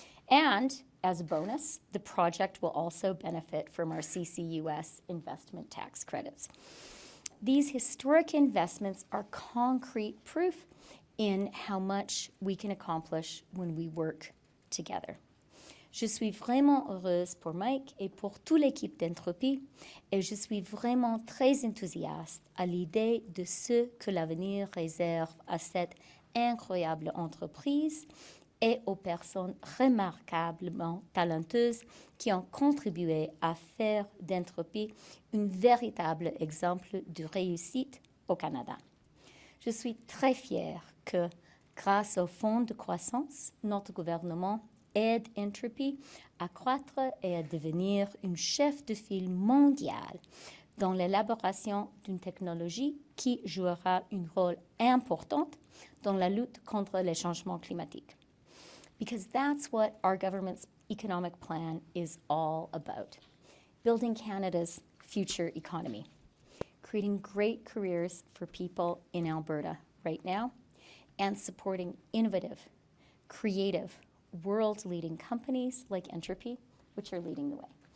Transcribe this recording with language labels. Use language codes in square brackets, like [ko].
[en] And as a bonus, the project will also benefit from our CCUS investment tax credits. These historic investments are concrete proof in how much we can accomplish when we work together. [fr] Je suis vraiment heureuse pour Mike et pour toute l'équipe d'Entropy, et je suis vraiment très enthousiaste à l'idée de ce que l'avenir réserve à cette incroyable entreprise et aux personnes remarquablement talentueuses qui ont contribué à faire d'Entropy un véritable exemple de réussite au Canada. Je suis très fière que, grâce au fonds de croissance, notre gouvernement aide Entropy à croître et à devenir une chef de file mondiale dans l'élaboration d'une technologie qui jouera un rôle important dans la lutte contre les changements climatiques. [en] Because that's what our government's economic plan is all about. Building Canada's future economy. Creating great careers for people in Alberta right now and supporting innovative, creative, world-leading companies like Entropy, which are leading the way.